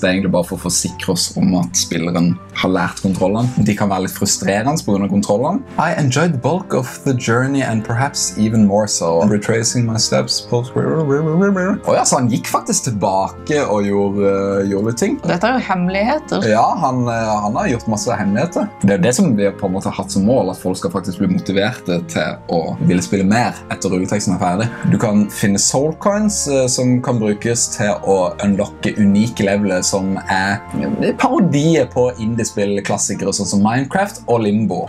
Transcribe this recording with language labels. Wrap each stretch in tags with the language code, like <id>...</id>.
<no>Det er egentlig bare for å forsikre oss om at spilleren har lært kontrollen. De kan være litt frustrerende på grunn av kontrollen.</no> <en>I enjoyed the bulk of the journey and perhaps even more so. Retracing my steps.</en> <no>Og ja, så han gikk faktisk tilbake og gjorde ting. Dette er jo hemmeligheter. Ja, han har gjort masse hemmeligheter. Det er det som vi på en måte har hatt som mål, at folk skal faktisk bli motiverte til å ville spille mer etter rulleteksten ferdig. Du kan finne soul coins som kan brukes til å unlocke unike leveler som er parodier på indie-spill-klassikere sånn som Minecraft og Limbo.</no>